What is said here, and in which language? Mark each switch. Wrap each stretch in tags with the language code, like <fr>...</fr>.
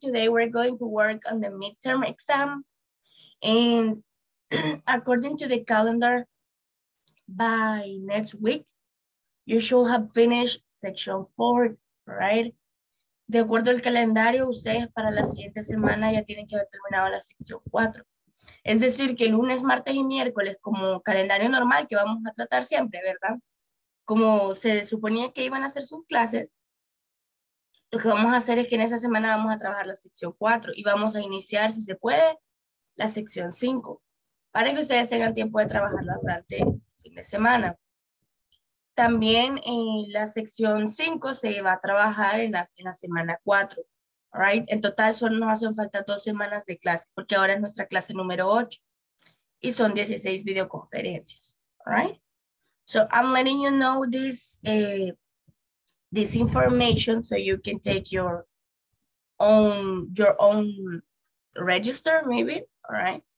<en>Today, we're going to work on the midterm exam. And according to the calendar, by next week, you should have finished section 4, right?</en> <es>De acuerdo al calendario, ustedes para la siguiente semana ya tienen que haber terminado la sección 4. Es decir, que lunes, martes y miércoles, como calendario normal que vamos a tratar siempre, ¿verdad? Como se suponía que iban a hacer sus clases, lo que vamos a hacer es que en esa semana vamos a trabajar la sección 4 y vamos a iniciar, si se puede, la sección 5, para que ustedes tengan tiempo de trabajarla durante fin de semana. También en la sección 5 se va a trabajar en la semana 4, right? En total solo nos hacen falta 2 semanas de clase, porque ahora es nuestra clase número 8 y son 16 videoconferencias, right?</es> <en>So I'm letting you know this this information so you can take your own register, maybe, all right?</en>